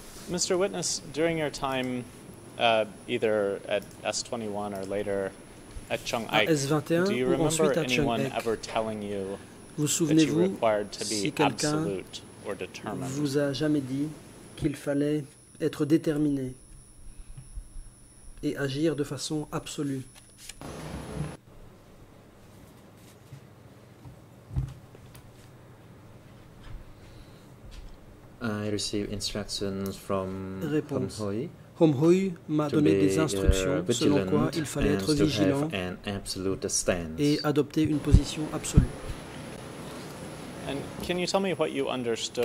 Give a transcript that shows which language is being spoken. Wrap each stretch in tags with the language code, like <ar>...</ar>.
<en>Mr. Witness, during your time either at S21 or later at Chung-Ik, do you remember anyone ever telling you that you required to be absolute or determined?</en> <fr>Vous a jamais dit qu'il fallait être déterminé et agir de façon absolue?</fr> <en>I received instructions from</en> <fr>Réponse. Hom Hoi. Hom Hoi m'a donné des instructions selon quoi il fallait être vigilant et adopter une position absolue.</fr> <en>And can you tell me what you understood</en>